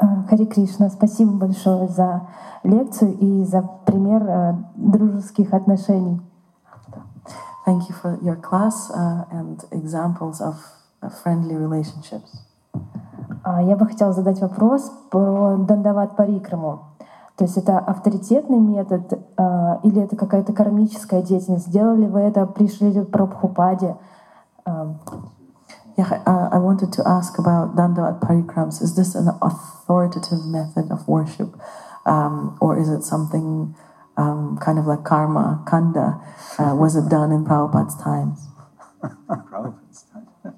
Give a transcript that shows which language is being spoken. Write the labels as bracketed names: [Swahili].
[Russian] Hare Krishna, спасибо большое за лекцию и за пример дружеских отношений. [English] Thank you for your class and examples of friendly relationships. [Russian] Я бы хотела задать вопрос про дандават парикраму. То есть это авторитетный метод или это какая-то кармическая деятельность? Сделали ли вы это при Шриле Прабхупаде? [English] I wanted to ask about dandavat parikrams. Is this an authoritative method of worship? Or is it something kind of like karma, kanda? Was it done in Prabhupada's time? Prabhupada's time.